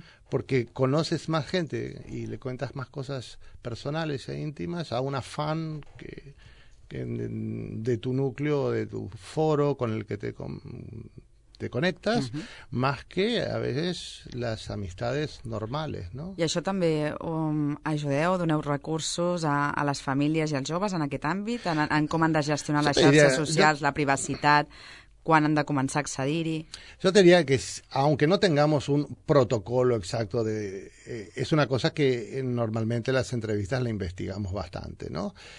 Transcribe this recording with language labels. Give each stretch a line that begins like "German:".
Spanish: Porque conoces más gente y le cuentas más cosas personales e íntimas a una fan que de tu núcleo, de tu foro con el que te conectas, más que a veces las amistades normales, ¿no?
Catalan: I això també ajudeu, doneu recursos a les famílies i als joves en aquest àmbit, en com han de gestionar les xarxes socials, la privacitat... quan han de començar a accedir-hi. Jo diria que,
Spanish: aunque no tengamos un protocolo exacto de... es una cosa que normalmente las entrevistas la investigamos bastante, ¿no?